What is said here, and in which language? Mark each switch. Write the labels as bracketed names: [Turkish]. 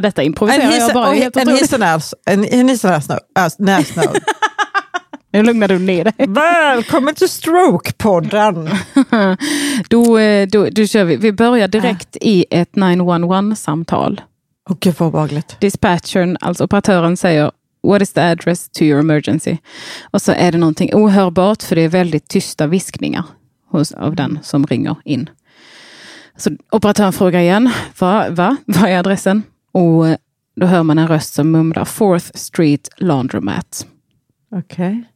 [Swedish] detta improviserar jag bara. En hissenäsnö. Nu lugnar du ner dig. Välkommen till Stroke-podden. Då kör vi. Vi börjar direkt i ett 911-samtal. Okej, vad obehagligt. Dispatchern, alltså operatören, säger [English] "What is the address to your emergency?" [Swedish] Och så är det någonting ohörbart, för det är väldigt tysta viskningar hos, av den som ringer in. Så operatören frågar igen, vad är adressen? Och då hör man en röst som mumlar 4th Street Laundromat. Okej.